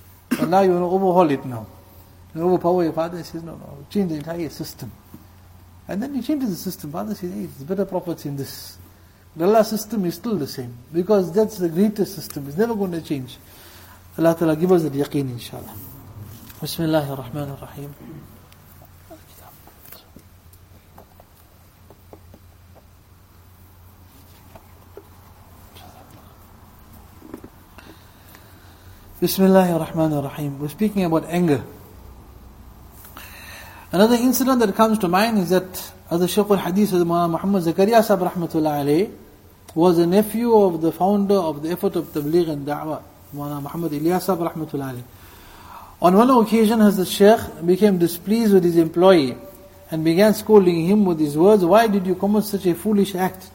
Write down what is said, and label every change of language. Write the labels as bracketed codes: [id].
[en] But now you want to overhaul it now. You want to overpower your father, he says, no, change the entire system. And then he changes the system. Father says, hey, there's better prophets in this. The Allah system is still the same, because that's the greatest system, it's never going to change. Allah Ta'ala give us the yaqeen, inshaAllah. [ar] بسم الله الرحمن الرحيم بسم الله الرحمن الرحيم [en] We're speaking about anger. Another incident that comes to mind is that as the Shaykh al-Hadith of Muhammad Zakariya Sahib rahmatullah alayhi was a nephew of the founder of the effort of Tabligh and Da'wah, Muhammad Ilyas Sahib rahmatullah alayhi. On one occasion, Hazrat Shaykh became displeased with his employee and began scolding him with his words, why did you commit such a foolish act?